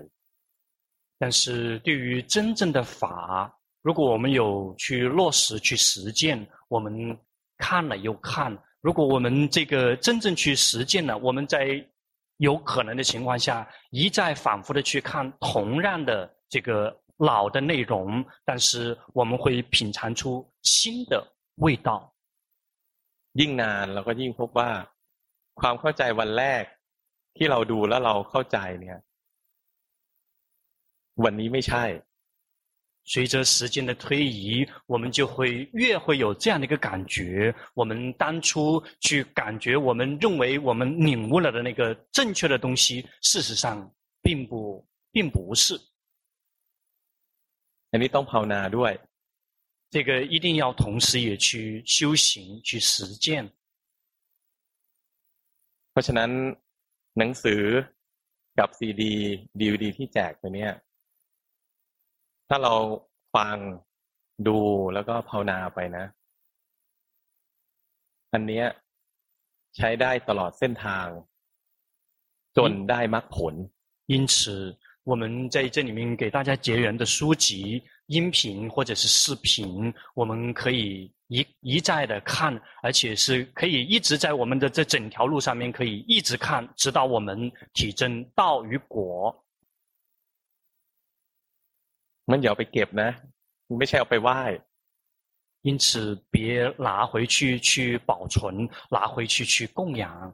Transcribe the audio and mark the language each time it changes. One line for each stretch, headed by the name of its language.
Chinese: ๆ但是对于真正的法如果我们有去落实去实践我们看了又看如果我们这个真正去实践了我们在有可能的情况下一再反复的去看同样的这个老的内容但是我们会品尝出新的味道
Thai: ยิ่งนานเราก็ยิ่งพบว่าความเข้าใจวันแรกที่เราดูแล้วเราเข้าใจเนี่ยวันนี้ไม่ใช่
Chinese: 随着时间的推移我们就会越会有这样的一个感觉我们当初去感觉我们认为我们领悟了的那个正确的东西事实上并不是
Thai: อันนี้ต้องภาวนาด้วย
Chinese: 这个一定要同时也去修行去实践
Thai: เพราะฉะนั้นหนังสือกับซีดีดีวีดีที่แจกไปเนี่ยถ้าเราฟังดูแล้วก็ภาวนาไปนะอันเนี้ยใช้ได้ตลอดเส้นทางจนได้มรรคผล
Chinese: 因此我们在这里面给大家结缘的书籍音频或者是视频我们可以一再的看而且是可以一直在我们的这整条路上面可以一直看直到我们体证道与果
Thai: มันอย่าไปเก็บนะไม่ใช่เอาไปไหว้
Chinese: 因此别拿回去去保存，拿回去去供养。